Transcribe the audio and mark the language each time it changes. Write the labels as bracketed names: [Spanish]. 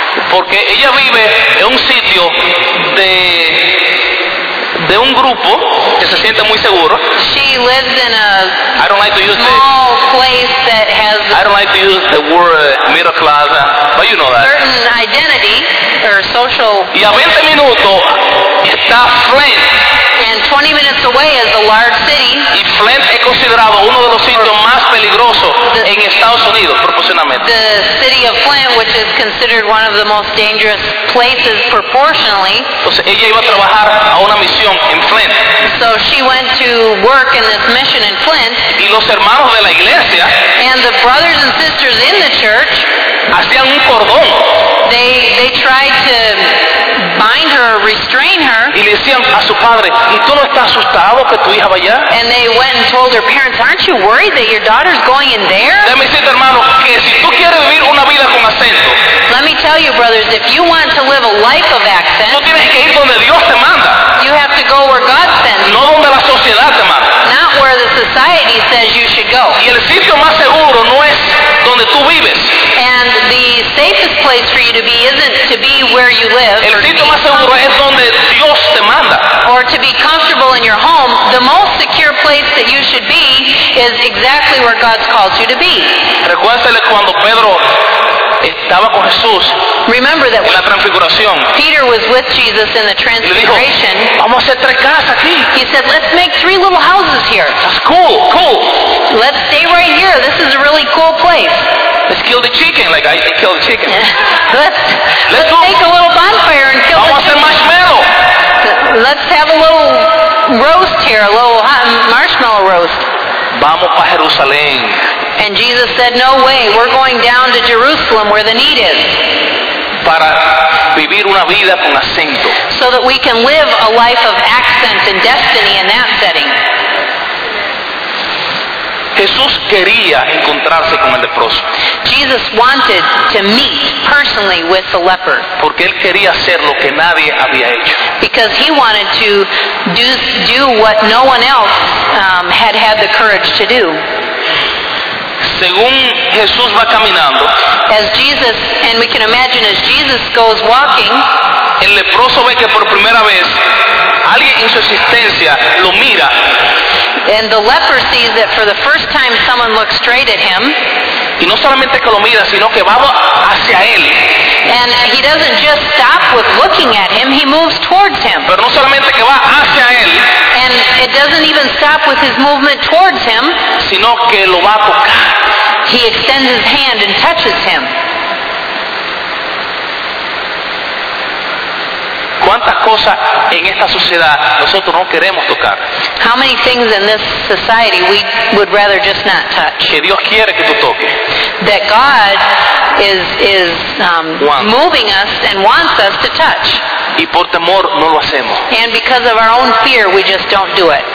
[Spanish] Porque ella vive en un sitio de un grupo que se siente muy seguro. [English] She lives in a I don't like to use small the, place that has I don't like to use the word middle class, but you know that. Certain identity or social. [Spanish] Y a 20 minutos está Flint. [English] And 20 minutes away is a large city. [Spanish] Y Flint es considerado uno de los sitios más peligrosos en Estados Unidos, proporcionalmente. [English] The city of Flint, which is considered one of the most dangerous places proportionally. [Spanish] Entonces ella iba a trabajar a una misión. [English] So she went to work in this mission in Flint. [Spanish] Y los hermanos de la iglesia, [English] and the brothers and sisters in the church, [Spanish] hacían un cordón. [English] They tried to bind her, restrain her. [Spanish] Y le decían a su padre, ¿y tú no estás asustado que tu hija vaya? [English] And they went and told her parents, aren't you worried that your daughter's going in there? [Spanish] Déjame decirte, hermano, que si tú quieres vivir una vida con acento, [English] let me tell you, brothers, if you want to live a life of accent, [Spanish] tú tienes que ir donde Dios te manda. [English] You have to go where God sends you. [Spanish] No donde la sociedad te manda. [English] Not where the society says you should go. [Spanish] Y el sitio más seguro no es donde tú vives. [English] And the safest place for you to be isn't to be where you live. [Spanish] El sitio más seguro es donde Dios te manda. [English] Or to be comfortable in your home. The most secure place that you should be is exactly where God's called you to be. [Spanish] Recuérdale cuando Pedro estaba con Jesús. [English] Remember that [Spanish] en la transfiguración, [English] Peter was with Jesus in the transfiguration. [Spanish] Le dijo, vamos a hacer tres casas aquí. [English] He said, let's make three little houses here. That's cool, cool. Let's stay right here. This is a really cool place. Let's kill the chicken, like I killed the chicken. let's make a little bonfire and kill [Spanish] vamos [English] the chicken. [Spanish] Hacer marshmallow. [English] Let's have a little roast here, a little hot marshmallow roast. [Spanish] Vamos para Jerusalén. [English] And Jesus said, no way, we're going down to Jerusalem where the need is. [Spanish] Para vivir una vida con acento. [English] So that we can live a life of accent and destiny in that setting. [Spanish] Jesús quería encontrarse con el leproso. [English] Jesus wanted to meet personally with the leper. [Spanish] Porque él quería hacer lo que nadie había hecho. [English] Because he wanted to do what no one else had the courage to do. [Spanish] Según Jesús va caminando, [English] as Jesus, and we can imagine as Jesus goes walking, [Spanish] el leproso ve que por primera vez alguien en su existencia lo mira. [English] And the leper sees that for the first time someone looks straight at him. [Spanish] Y no solamente que lo mira, sino que va hacia él. [English] And he doesn't just stop with looking at him, he moves towards him. [Spanish] Pero no solamente que va hacia él. [English] And it doesn't even stop with his movement towards him. [Spanish] Sino que lo va a tocar. [English] He extends his hand and touches him. [Spanish] ¿Cuántas cosas en esta sociedad nosotros no queremos tocar. [English] How many things in this society we would rather just not touch? [Spanish] Que Dios quiere que tú toques. [English] That God is moving us and wants us to touch. [Spanish] Y por temor no lo hacemos. [English] And because of our own fear, we just don't do it.